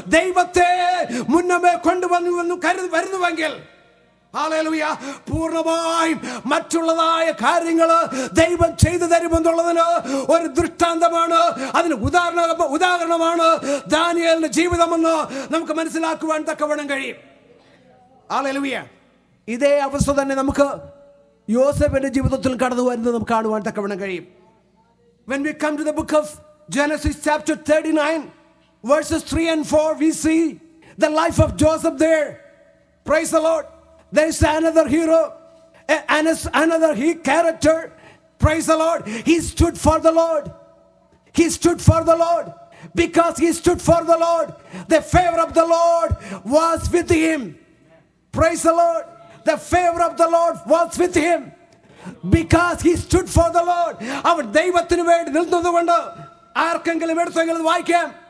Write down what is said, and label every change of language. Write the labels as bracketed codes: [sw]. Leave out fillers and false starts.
[ml] ദൈവത്തെ മുന്നമേ കൊണ്ടുവന്നു എന്ന് കരുതി വരുന്നുവെങ്കിൽ, ഹല്ലേലൂയ, പൂർണ്ണമായും മറ്റുള്ളതായ കാര്യങ്ങൾ ദൈവം ചെയ്തു തരുമെന്നുള്ളതിന് ഒരു ദൃഷ്ടാന്തമാണ്, അതിന് ഉദാഹരണമാണ് ദാനിയേലിന്റെ ജീവിതമെന്ന് നമുക്ക് മനസ്സിലാക്കുവാൻ തക്കവണ്ണം കഴിയും. ഹല്ലേലൂയ. ഇതേ അവസ്ഥ തന്നെ നമുക്ക് യോസഫിന്റെ ജീവിതത്തിൽ കടന്നു വരുന്നത് നമുക്ക് കാണുവാൻ തക്കവണ്ണം കഴിയും. [en] When we come to the book of Genesis chapter 39 verses 3 and 4 we see the life of Joseph there. Praise the Lord. There is another hero, another character. Praise the Lord. He stood for the Lord. He stood for the Lord. Because he stood for the Lord, the favor of the Lord was with him. Praise the Lord. The favor of the Lord was with him. Because he stood for the Lord. Our [ml] ദൈവത്തിന് വേണ്ടി നിൽക്കുന്നതുകൊണ്ട് ആർക്കെങ്കിലും എടുത്തെങ്കിലും വായിക്കാം.